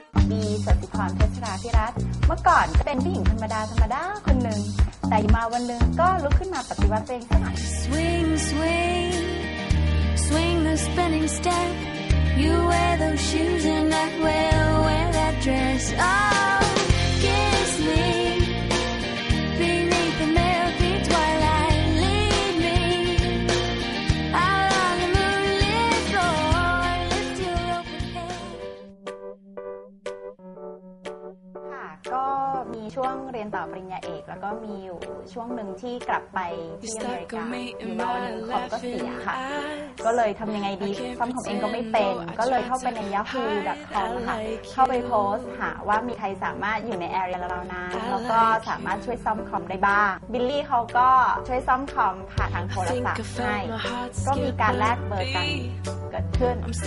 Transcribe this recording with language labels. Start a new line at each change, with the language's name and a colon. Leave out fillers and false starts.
Thai: บีสัตติพรเพชรราธิรัตน์เมื่อก่อนเป็นผู้หญิงธรรมดาธรรมดาคนหนึ่งแต่มาวันหนึ่งก็ลุกขึ้นมาปฏิวัติเองสักหน่อย
English: Swing, swing Swing the spinning stepYou wear those shoes and I will wear that dress Oh, kiss me Beneath the milky twilight Lead me Out on the moonlit floor Lift your open hand
Thai: ค่ะก็มีช่วงเรียนต่อปริญญาเอกแล้วก็มีอยู่ช่วงหนึ่งที่กลับไปที่อเมริกามีแล้ววันหนึ่งคอมก็เสียค่ะก็เลยทำยังไงดีซ่อมของเองก็ไม่เป็นก็เลยเข้าไปใน yahoo.com ค่ะเข้าไปโพสหาว่ามีใครสามารถอยู่ใน area เรานะแล้วก็สามารถช่วยซ่อมคอมได้บ้างบิลลี่เขาก็ช่วยซ่อมคอมผ่านทางโทรศัพท์ให้ก็มีการแลกเบอร์กันเกิดขึ้น